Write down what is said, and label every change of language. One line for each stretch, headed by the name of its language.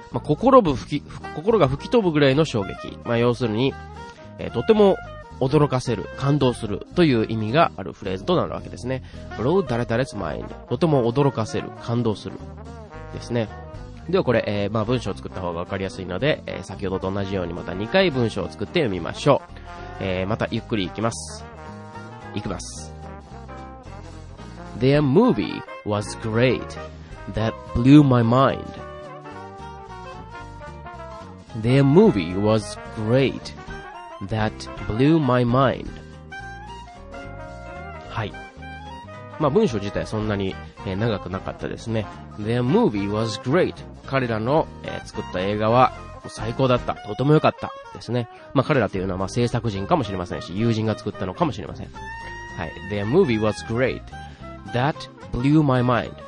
Japanese: まあ、心が吹き飛ぶぐらいの衝撃。まあ、要するに、とても驚かせる、感動するという意味があるフレーズとなるわけですね。
English: blow 誰々's mind。
Japanese: とても驚かせる、感動する。ですね。ではこれ、まあ、文章を作った方がわかりやすいので、先ほどと同じようにまた2回文章を作って読みましょう。またゆっくりいきます。いきます。
English: Their movie was great that blew my mind.Their movie was great that blew my mind.
Japanese: はい。まあ、文章自体そんなに長くなかったですね。
English: Their movie was great.
Japanese: 彼らの作った映画は最高だった。とても良かった。ですね。まあ彼らというのはまあ制作人かもしれませんし、友人が作ったのかもしれません。
English: はい。Their movie was great. That blew my mind.